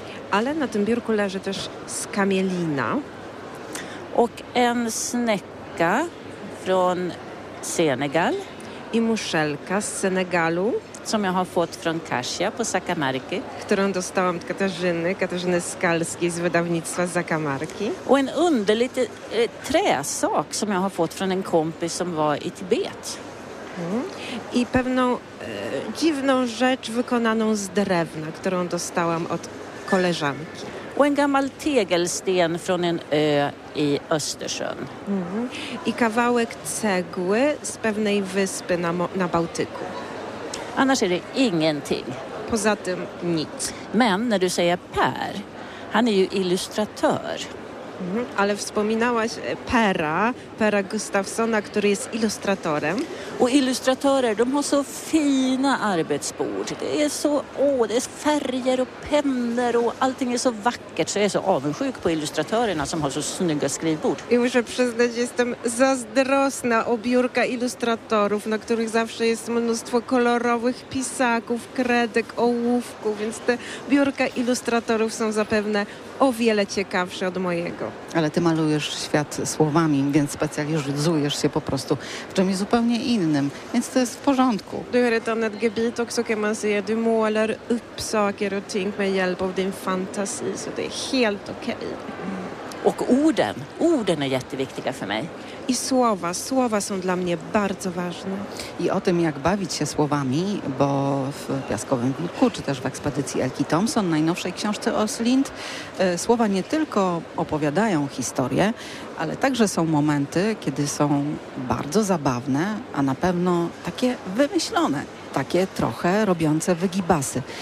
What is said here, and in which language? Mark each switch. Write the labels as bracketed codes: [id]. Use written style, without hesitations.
[pl] Ale na tym biurku leży też skamielina. [sv] Och en snäcka från Senegal. [pl] I muszelka z Senegalu, [sv] co jag har fått från Kasia på Zakamarki, [pl] którą dostałam od Katarzyny Skalskiej z wydawnictwa Zakamarki. [sv] Och en underlig träsak som jag har fått från en kompis som var i Tibet. [pl] I pewną dziwną rzecz wykonaną z drewna, którą dostałam od koleżanki. [sv] Och en gammal tegelsten från en ö i Östersjön. [pl] I kawałek cegły z pewnej wyspy na Bałtyku. [sv] Annars är det ingenting. [pl] Poza tym nic. [sv] Men när du säger Per, han är ju illustratör. [pl] Ale wspominałaś Pera Gustafssona, który jest ilustratorem. [sv] Och illustratörer, de har så fina arbetsbord. Det är så, det är färger och pennor och allting är så vackert. Så jag är så avundsjuk på illustratörerna som har så snygga skrivbord. [pl] I muszę przyznać, jestem zazdrosna o biurka illustratorów, na których zawsze jest mnóstwo kolorowych pisaków, kredek, ołówków. Więc te biurka illustratorów są zapewne o wiele ciekawszy od mojego. Ale ty malujesz świat słowami, więc specjalizujesz się po prostu w czymś zupełnie innym, więc to jest w porządku. [sv] Du har ett annat gebit också kan man säga. Du målar upp saker och ting med hjälp av din fantasi, så det är helt okej. Och orden. Orden är jätteviktiga för mig. [pl] I słowa. Słowa są dla mnie bardzo ważne. I o tym, jak bawić się słowami, bo w Piaskowym Wilku, czy też w ekspedycji Elki Thompson, najnowszej książce Oslind, słowa nie tylko opowiadają historię, ale także są momenty, kiedy są bardzo zabawne, a na pewno takie wymyślone, takie trochę robiące wygibasy.